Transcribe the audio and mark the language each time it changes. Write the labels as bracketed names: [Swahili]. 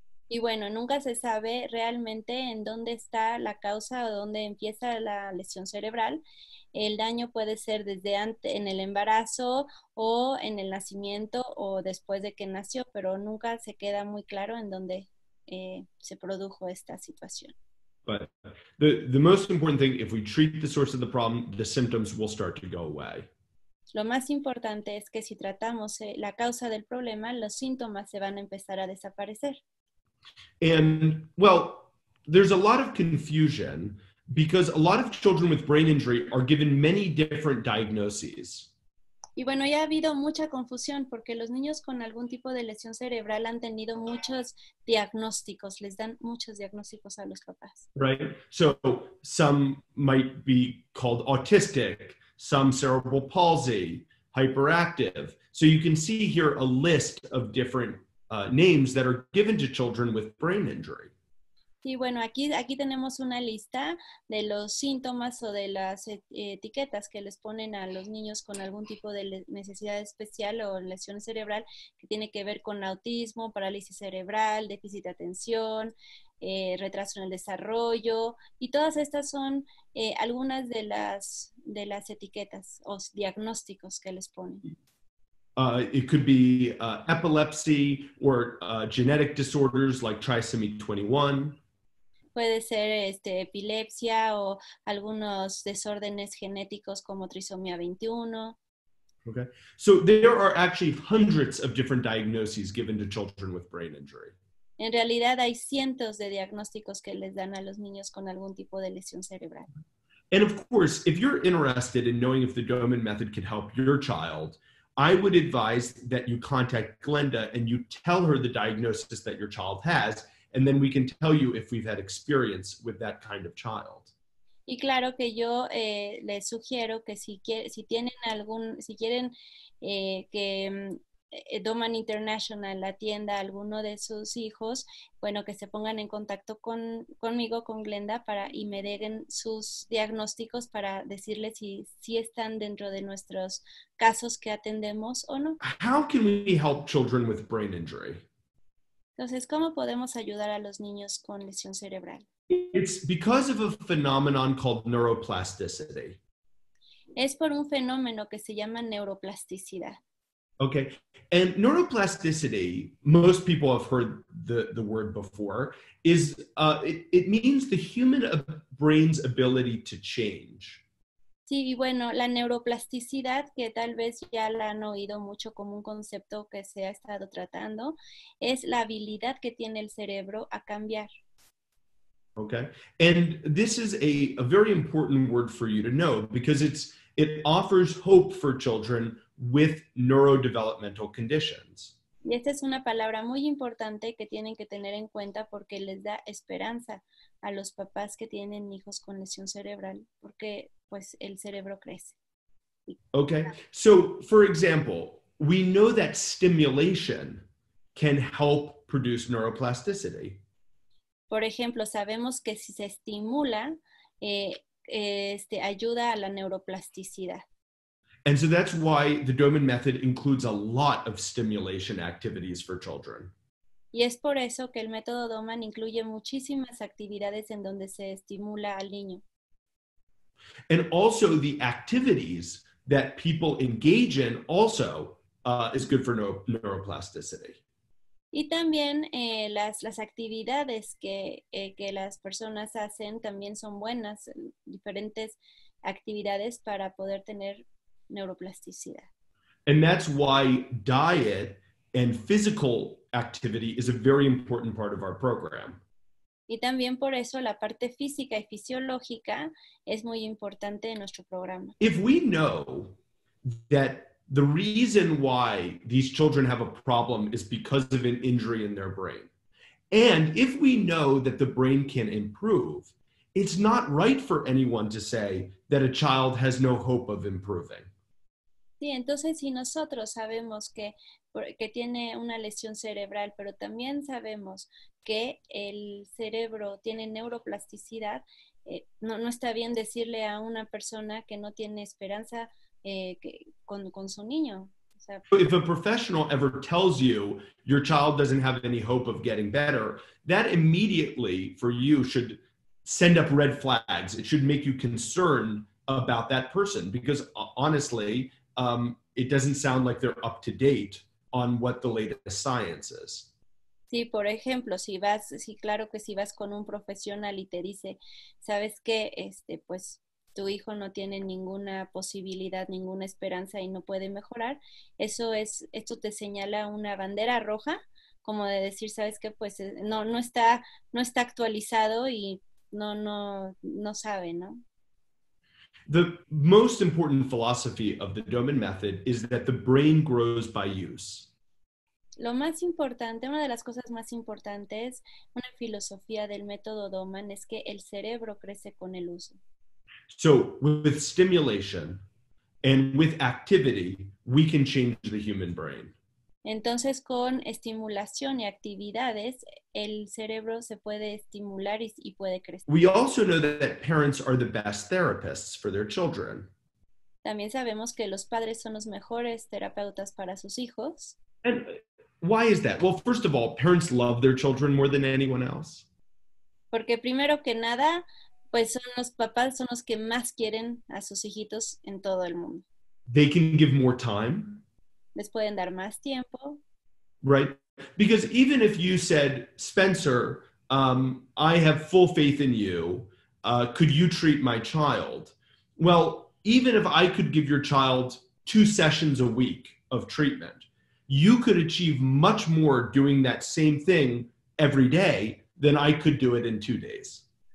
[Spanish] Y bueno, nunca se sabe realmente en dónde está la causa o dónde empieza la lesión cerebral. El daño puede ser desde antes, en el embarazo o en el nacimiento o después de que nació, pero nunca se queda muy claro en dónde se produjo esta situación. [English] But the most important thing, if we treat the source of the problem, the symptoms will start to go away. [Spanish] Lo más importante es que si tratamos la causa del problema, los síntomas se van a empezar a desaparecer. [English] And, well, there's a lot of confusion because a lot of children with brain injury are given many different diagnoses. [Spanish] Y bueno, ya ha habido mucha confusión porque los niños con algún tipo de lesión cerebral han tenido muchos diagnósticos, les dan muchos diagnósticos a los papás. [English] Right? So, some might be called autistic, some cerebral palsy, hyperactive. So, you can see here a list of different names that are given to children with brain injury. [Spanish] Sí, bueno, aquí tenemos una lista de los síntomas o de las etiquetas que les ponen a los niños con algún tipo de necesidad especial o lesión cerebral que tiene que ver con autismo, parálisis cerebral, déficit de atención, retraso en el desarrollo, y todas estas son algunas de las etiquetas o diagnósticos que les ponen. [English] It could be epilepsy or genetic disorders like trisomy 21. [Spanish] Puede ser epilepsia o algunos desórdenes genéticos como trisomía 21. [English] Okay. So there are actually hundreds of different diagnoses given to children with brain injury. [Spanish] En realidad hay cientos de diagnósticos que les dan a los niños con algún tipo de lesión cerebral. [English] And of course, if you're interested in knowing if the Doman method can help your child, I would advise that you contact Glenda and you tell her the diagnosis that your child has, and then we can tell you if we've had experience with that kind of child. [Spanish] Y claro que yo les sugiero que si quieren que Doman International atienda a alguno de sus hijos, bueno, que se pongan en contacto conmigo, con Glenda, y me den sus diagnósticos para decirles si están dentro de nuestros casos que atendemos o no. [English] How can we help children with brain injury? [Spanish] Entonces, ¿cómo podemos ayudar a los niños con lesión cerebral? [English] It's because of a phenomenon called neuroplasticity. [Spanish] Es por un fenómeno que se llama neuroplasticidad. [English] Okay, and neuroplasticity, most people have heard the word before, is it means the human brain's ability to change. [Spanish] Sí, y bueno, la neuroplasticidad, que tal vez ya la han oído mucho como un concepto que se ha estado tratando, es la habilidad que tiene el cerebro a cambiar. [English] Okay, and this is a very important word for you to know, because it offers hope for children with neurodevelopmental conditions. [Spanish] Y esta es una palabra muy importante que tienen que tener en cuenta porque les da esperanza a los papás que tienen hijos con lesión cerebral, porque pues el cerebro crece. [English] Okay, so for example, we know that stimulation can help produce neuroplasticity. [Spanish] Por ejemplo, sabemos que si se estimula, ayuda a la neuroplasticidad. [English] And so that's why the Doman method includes a lot of stimulation activities for children. [Spanish] Y es por eso que el método Doman incluye muchísimas actividades en donde se estimula al niño. [English] And also the activities that people engage in also is good for neuroplasticity. [Spanish] Y también las actividades que las personas hacen también son buenas, diferentes actividades para poder tener neuroplasticidad. [English] And that's why diet and physical activity is a very important part of our program. [Spanish] Y también por eso la parte física y fisiológica es muy importante en nuestro programa. [English] If we know that the reason why these children have a problem is because of an injury in their brain, and if we know that the brain can improve, it's not right for anyone to say that a child has no hope of improving. [Spanish] Sí, entonces si nosotros sabemos que tiene una lesión cerebral, pero también sabemos que el cerebro tiene neuroplasticidad, no está bien decirle a una persona que no tiene esperanza con su niño. O sea, [English] if a professional ever tells you your child doesn't have any hope of getting better, that immediately for you should send up red flags. It should make you concerned about that person, because honestly, it doesn't sound like they're up to date on what the latest science is. [Spanish] Sí, por ejemplo, si vas con un profesional y te dice, ¿sabes qué? Pues tu hijo no tiene ninguna posibilidad, ninguna esperanza y no puede mejorar. Esto te señala una bandera roja, como de decir, ¿sabes qué? Pues no está actualizado y no sabe, ¿no? [English] The most important philosophy of the Doman method is that the brain grows by use. [Spanish] Lo más importante, una de las cosas más importantes, una filosofía del método Doman es que el cerebro crece con el uso. [English] So, with stimulation and with activity, we can change the human brain. [Spanish] Entonces, con estimulación y actividades, el cerebro se puede estimular y puede crecer. [English] We also know that parents are the best therapists for their children. [Spanish] También sabemos que los padres son los mejores terapeutas para sus hijos. [English] And why is that? Well, first of all, parents love their children more than anyone else. [Spanish] Porque primero que nada, pues son los papás son los que más quieren a sus hijitos en todo el mundo. [English] They can give more time. [Spanish] Les pueden dar más tiempo. [English] Right. Because even if you said, Spencer, I have full faith in you. Could you treat my child? Well, even if I could give your child 2 sessions a week of treatment, you could achieve much more doing that same thing every day than I could do it in 2 days.